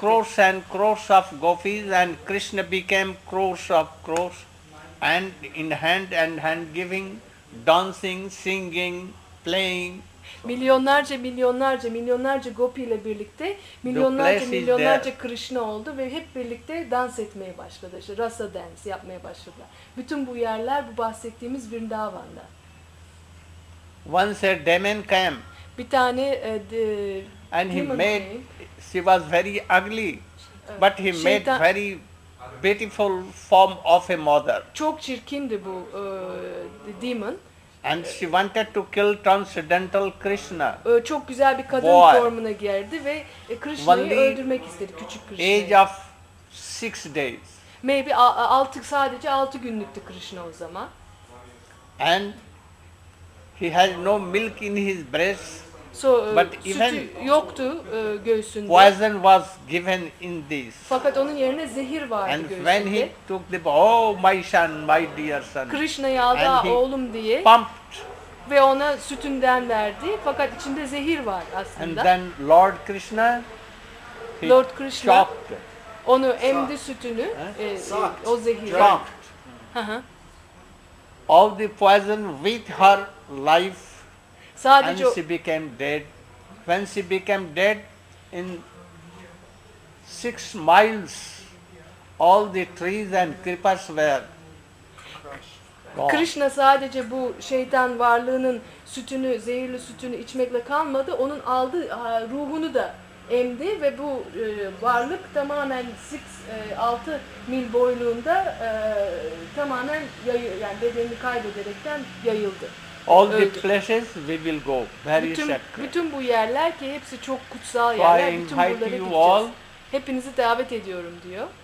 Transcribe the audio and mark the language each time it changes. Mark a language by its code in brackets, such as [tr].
[en] Crores and crores of gopis and Krishna became crores of crores. And in hand and hand giving, dancing, singing, playing. [tr] Milyonlarca, milyonlarca, milyonlarca gopi ile birlikte, milyonlarca, milyonlarca Krishna oldu ve hep birlikte dans etmeye başladı. İşte rasa dance yapmaya başladılar. Bütün bu yerler bu bahsettiğimiz Vrindavan'da. [en] Once a demon came. [tr] Bir tane [en] and he made, she was very ugly, but he made very beautiful form of a mother. [tr] Çok çirkindi bu demon. [en] And she wanted to kill transcendental Krishna. [tr] Çok güzel bir kadın boy formuna girdi ve Krishna'yı öldürmek istedi, küçük Krishna'yı. [en] Age of 6 days. Maybe [tr] sadece 6 günlüktü Krishna o zaman. [en] And he has no milk in his breast. So, but [tr] sütü [en] even [tr] yoktu göğsünde. [en] Poison was given in this. [tr] Fakat onun yerine zehir vardı [en] and [tr] göğsünde. [en] And when he took the oh my son, my dear son. [tr] Krishna'yı aldı oğlum diye. [en] Pumped. [tr] Ve ona sütünden verdi. Fakat içinde zehir var aslında. [en] And then Lord Krishna. Lord Krishna. Shocked. [tr] Onu emdi sütünü. O zehir. [en] Shocked. All the poison with her life. [tr] Sadece [en] and she became dead. When she became dead, in 6 miles, all the trees and creepers were gone. [tr] Krishna sadece bu şeytan varlığının sütünü, zehirli sütünü içmekle kalmadı. Onun aldığı ruhunu da emdi ve bu varlık tamamen 6 mil boyluğunda tamamen yani bedenini kaybederekten yayıldı. [en] All the places we will go very [tr] bütün, [en] sacred. [tr] Bütün bu yerler ki hepsi çok kutsal yerler. Bütün buralara gideceğiz. [en] All, [tr] hepinizi davet ediyorum diyor.